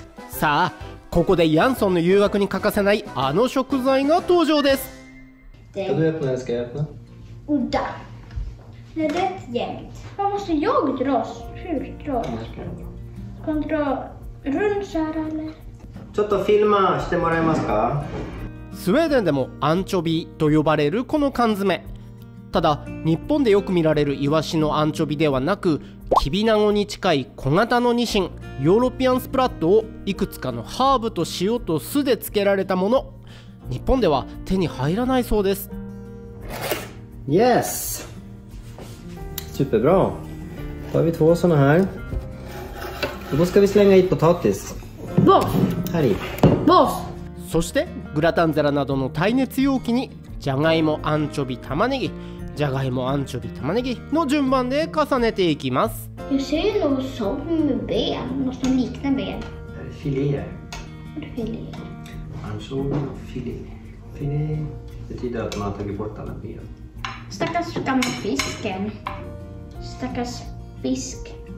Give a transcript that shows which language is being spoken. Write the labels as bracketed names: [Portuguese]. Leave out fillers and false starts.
[Japanese] さあ、ここでヤンソンの誘惑に欠かせないあの食材が登場です。 [Swedish] Kan du öppna den? Ska jag öppna? Udda. Det är rätt jämnt. Vad måste jag dra? Hur drar jag? Ska man dra runt så här eller? [Japanese] ちょっと filma してもらえますか? スウェーデンでもアンチョビと呼ばれるこの缶詰。ただ、日本でよく見られるイワシのアンチョビではなく、キビナゴに近い小型のニシン、ヨーロピアンスプラットをいくつかのハーブと塩と酢で漬けられたもの。日本では手に入らないそうです。 [English] Yes! [Swedish] Superbra! Då har vi två sådana här. Då ska vi slänga i potatis. Boss! Harry! Boss! [Japanese] そして、グラタン皿などの耐熱容器に、ジャガイモ、アンチョビ、玉ねぎ、ジャガイモ、アンチョビ、玉ねぎの順番で重ねていきます。 [Swedish] Jag ser ju något som en ben, något som liknar ben. Det är filé. Vad är filé? Ansjovi och filé. Filé betyder att man har tagit bort alla ben. Stackars gamla fisken. Stackars fisk.